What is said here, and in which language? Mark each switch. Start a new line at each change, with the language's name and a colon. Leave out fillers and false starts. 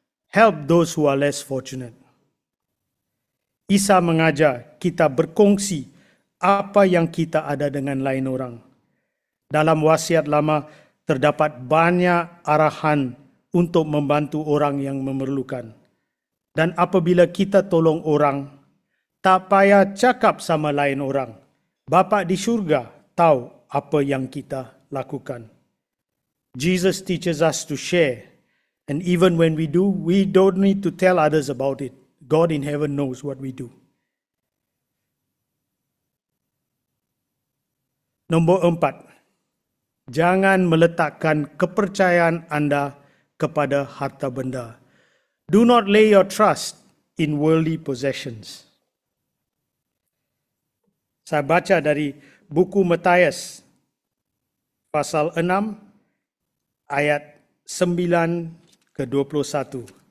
English: Help those who are less fortunate.
Malay: Isa mengajar kita berkongsi apa yang kita ada dengan lain orang. Dalam wasiat lama, terdapat banyak arahan untuk membantu orang yang memerlukan. Dan apabila kita tolong orang, tak payah cakap sama lain orang. Bapa di syurga tahu apa yang kita lakukan.
English: Jesus teaches us to share. And even when we do, we don't need to tell others about it. God in heaven knows what we do.
Malay: Nombor empat. Jangan meletakkan kepercayaan anda kepada harta benda.
English: Do not lay your trust in worldly possessions.
Malay: Saya baca dari buku Matius pasal 6 ayat 9 ke 21.